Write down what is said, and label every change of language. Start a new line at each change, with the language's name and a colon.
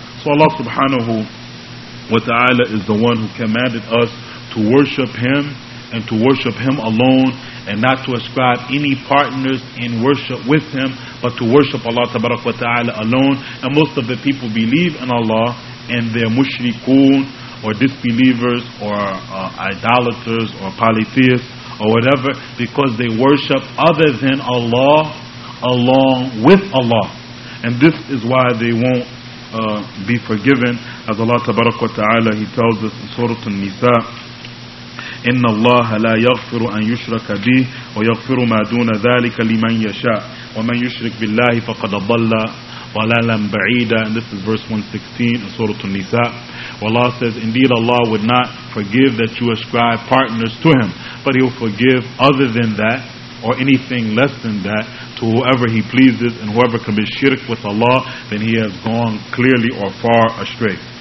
English: So Allah subhanahu wa ta'ala is the one who commanded us to worship Him, and to worship Him alone, and not to ascribe any partners in worship with Him, but to worship Allah tabarak wa ta'ala alone. And most of the people believe in Allah, and they're mushrikun, or disbelievers, or idolaters, or polytheists, or whatever, because they worship other than Allah, along with Allah. And this is why they won't be forgiven, as Allah tabarak wa ta'ala, He tells us in Surah An-Nisa,
Arabic: إِنَّ اللَّهَ لَا يَغْفِرُ أَن يُشْرَكَ بِهِ وَيَغْفِرُ مَا دُونَ ذَلِكَ لِمَن يَشَاءُ وَمَن يُشْرِكْ بِاللَّهِ فَقَدْ ضَلَّ ضَلَالًا بَعِيدًا.
English: And this is verse 116 in Surah An-Nisa. Allah says, indeed Allah would not forgive that you ascribe partners to Him, but He will forgive other than that, or anything less than that, to whoever He pleases. And whoever commits shirk with Allah, then he has gone clearly or far astray.